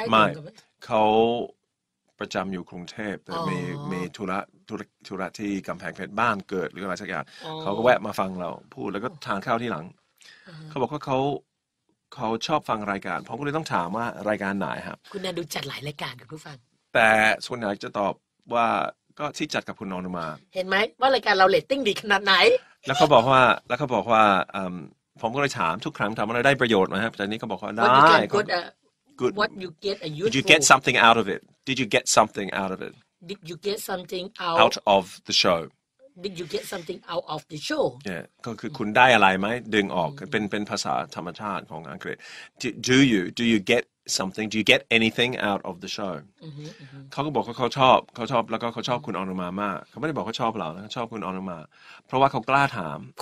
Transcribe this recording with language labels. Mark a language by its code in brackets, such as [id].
[th] ไหมเขาประจำอยู่กรุงเทพแต่มีธุระที่กำแพงเพชรบ้านเกิดหรืออะไรสักอย่างเขาก็แวะมาฟังเราพูดแล้วก็ทานข้าวที่หลังเขาบอกว่าเขาชอบฟังรายการผมก็เลยต้องถามว่ารายการไหนครับ คุณแอนดูจัดหลายรายการกับผู้ฟัง แต่ส่วนใหญ่จะตอบว่าก็ที่จัดกับคุณนนท์มา เห็นไหมว่ารายการเราเรตติ้งดีขนาดไหน แล้วเขาบอกว่าผมก็เลยถามทุกครั้งถามว่าได้ประโยชน์ไหมครับจากนี้เขาบอกว่าได้ [en] good what you get a useful did you get something out of it did you get something out of it did you get something out of the show Did you get something out of the show? [th] Yeah, ก็คือคุณได้อะไรไหมดึงออกเป็นภาษาธรรมชาติของอังกฤษ [en] Do you get something? Do you get anything out of the show? [th] เขาก็บอกเขาชอบแล้วก็เขาชอบคุณออนุมามากเขาไม่ได้บอกเขาชอบเรานะเขาชอบคุณออนุมาเพราะว่าเขากล้าถาม